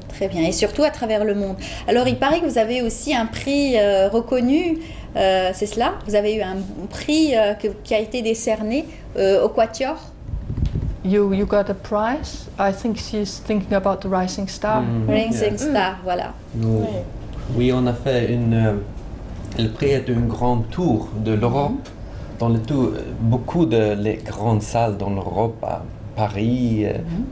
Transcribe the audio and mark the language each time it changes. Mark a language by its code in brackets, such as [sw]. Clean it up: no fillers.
[fr] Très bien, et surtout à travers le monde. Alors, il paraît que vous avez aussi un prix reconnu, c'est cela? Vous avez eu un prix qui a été décerné au Quatuor? [en] You got a prize. I think she's thinking about the Rising Star. Mm-hmm. Rising yeah. Star, mm. voilà. [fr] Nous, oui, on a fait une... Le prix est un grand tour de l'Europe. Mm-hmm. Dans le tour, beaucoup de les grandes salles dans l'Europe, à Paris, mm-hmm.